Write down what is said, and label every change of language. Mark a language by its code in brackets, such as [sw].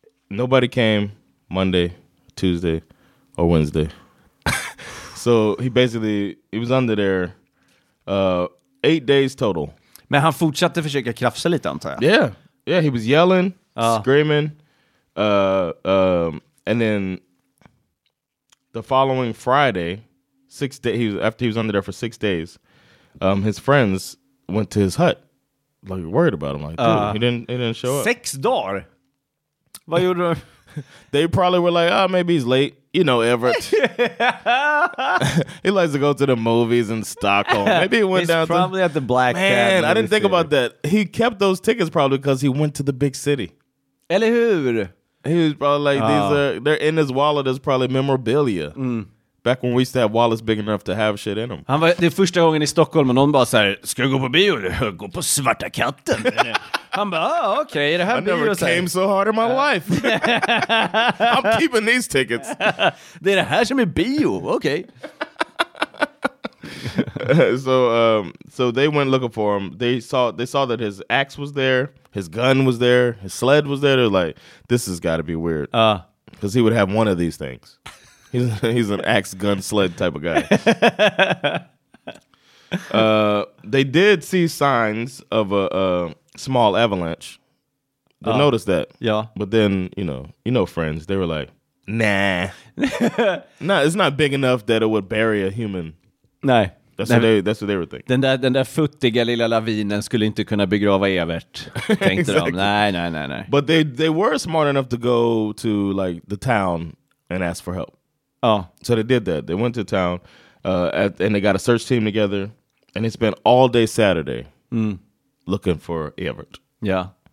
[en] Nobody came Monday, Tuesday, or Wednesday. So he basically, he was under there 8 days total. [sv] Men han fortsatte försöka krafsa lite, antar jag. [en] Yeah. Yeah, he was yelling, screaming. And then the following Friday, 6 days, after he was under there for 6 days, his friends went to his hut, like worried about him. Like, dude, he didn't show up. Sex door? They probably were like, maybe he's late. you know, Evert. He likes to go to the movies in Stockholm. Maybe he went at the Black Cat. Man, I didn't think about that. He kept those tickets probably because he went to the big city. [sv] Eller hur? [en] He was probably like, they're in his wallet as probably memorabilia. Mm. Back when we used to have wallets big enough to have shit in them. [sv] Han var, det är första gången i Stockholm och någon bara så här, ska jag gå på bio eller gå på Svarta Katten? Han bara, okej, det här [en] I never came så hard in my life. I'm keeping these tickets. [sv] Det är det här som är bio, okej. [en] So they went looking for him. They saw that his axe was there, his gun was there, his sled was there. They're like, this has got to be weird. Because he would have one of these things. He's an axe, gun, sled type of guy. They did see signs of a small avalanche. They noticed that. Yeah. But then, you know, friends, they were like, nah. Nah, it's not big enough that it would bury a human. [sv] Nej. [en] That's what they were thinking. [sv] Den där futtiga lilla lavinen skulle inte kunna begrava Evert, tänkte exactly. De. Nej. [en] But they were smart enough to go to, like, the town and ask for help. Oh. So they did that. They went to town and they got a search team together and they spent all day Saturday looking for Evert. Yeah.